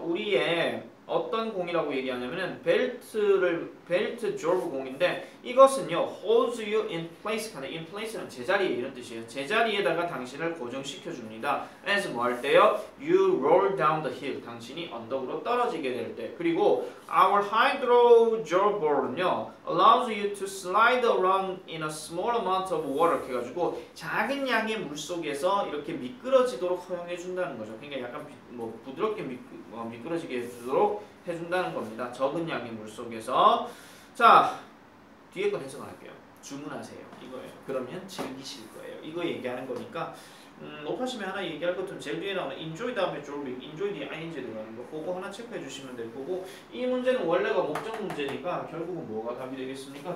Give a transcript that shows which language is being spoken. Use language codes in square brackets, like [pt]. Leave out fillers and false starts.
[ko] 우리의 어떤 공이라고 얘기하냐면은, 벨트 gerbil 공인데, 이것은요, [en] holds you in place [ko] 하는, [en] in place는 [ko] 제자리에 이런 뜻이에요. 제자리에다가 당신을 고정시켜줍니다. [en] as [ko] 뭐 할 때요? [en] you roll down the hill. [ko] 당신이 언덕으로 떨어지게 될 때. 그리고, [en] our hydro gerbil은요, allows you to slide around in a small amount of water. [ko] 이렇게 해가지고, 작은 양의 물 속에서 이렇게 미끄러지도록 허용해준다는 거죠. 그러니까 약간 부드럽게 미끄러지게 해주도록 해준다는 겁니다. 적은 양의 물 속에서. 자, 뒤에 거 해석 안 할게요. 주문하세요. 이거예요. 그러면 즐기실 거예요. 이거 얘기하는 거니까, 높아시면 하나 얘기할 것좀 제일 위에 나오는 enjoy 다음에 jolly, [en] enjoy the ing [ko] 들어가는 거, 그거 하나 체크해 주시면 될 거고, 이 문제는 원래가 목적 문제니까 결국은 뭐가 답이 되겠습니까?